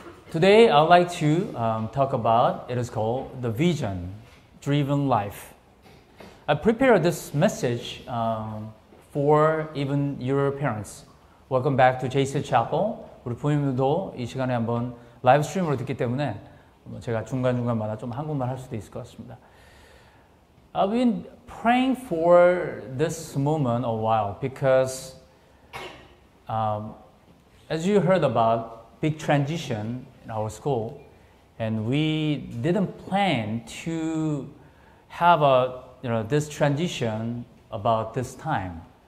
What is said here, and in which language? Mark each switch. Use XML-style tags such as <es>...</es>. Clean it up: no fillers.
<en>Today I'd like to talk about, it is called the vision-driven life. I prepared this message for even your parents. Welcome back to JCS Chapel.</en> <ko>우리 부모님들도 이 시간에 한번 라이브 스트림으로 듣기 때문에 제가 중간중간마다 좀 한국말 할 수도 있을 것 같습니다.</ko> <en>I've been praying for this moment a while because as you heard about big transition in our school, and we didn't plan to have this transition about this time.</en>